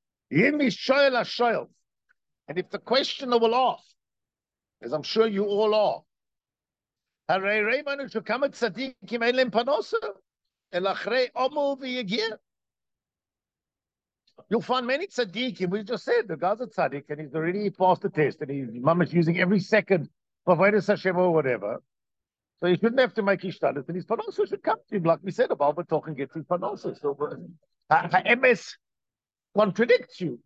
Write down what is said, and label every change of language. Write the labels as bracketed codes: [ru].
[he] Yim yishoel ha-shoel. [en] And if the questioner will ask, as I'm sure you all are, [he] הרי ראינו שכמה צדיקים אין להם פנוסה, אלא אחרי עמל ויגיע. [en] You'll find many tzaddikim, we just said, the guy's a tzaddik, and he's already passed the test, and he's mamash using every second for Vedas Hashem or whatever. So he shouldn't have to make his status, and his panosa should come to him, like we said, about Baal Batochen gets his panosa. So Ha-Emes contradicts you.